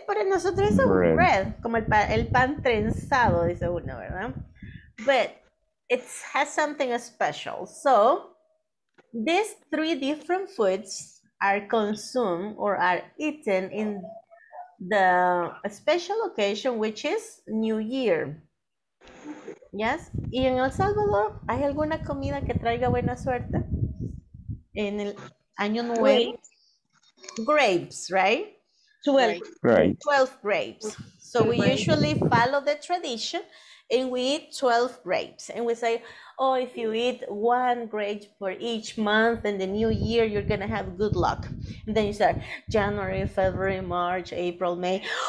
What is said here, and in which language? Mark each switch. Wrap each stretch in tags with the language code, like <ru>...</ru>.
<es>Pero nosotros es bread. Como el pan trenzado, dice uno, ¿verdad?</es> <en>But it has something special. So these three different foods are consumed or are eaten in the special occasion, which is New Year. Yes.</en> <es>¿Y en El Salvador hay alguna comida que traiga buena suerte en el año nuevo?</es> <en>Grapes, right? 12 grapes. So we usually follow the tradition and we eat 12 grapes. And we say, oh, if you eat one grape for each month in the new year, you're going to have good luck. And then you start January, February, March, April, May.</en>